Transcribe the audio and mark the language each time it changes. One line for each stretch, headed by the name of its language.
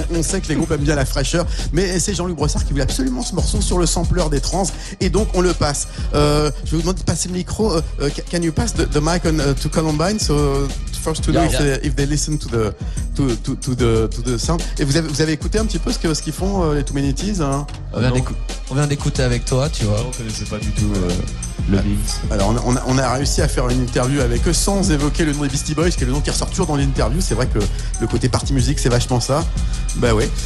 French: On sait que les groupes aiment bien la fraîcheur, mais c'est Jean-Luc Brossard qui voulait absolument ce morceau sur le sampler des Trans, et donc on le passe. Je vous demande de passer le micro.
English: Can you pass the mic on to Colin? So first to know if they listen to the sound.
French: Et vous avez écouté un petit peu ce qu'ils font les Too Many Tees, hein? On vient d'écouter avec toi, tu vois. On connaissait pas du tout le beat. Alors on a réussi à faire une interview avec eux sans évoquer le nom des Beastie Boys, qui est le nom qui ressort toujours dans l'interview. C'est vrai que le côté party musique, c'est vachement ça. Bah ouais.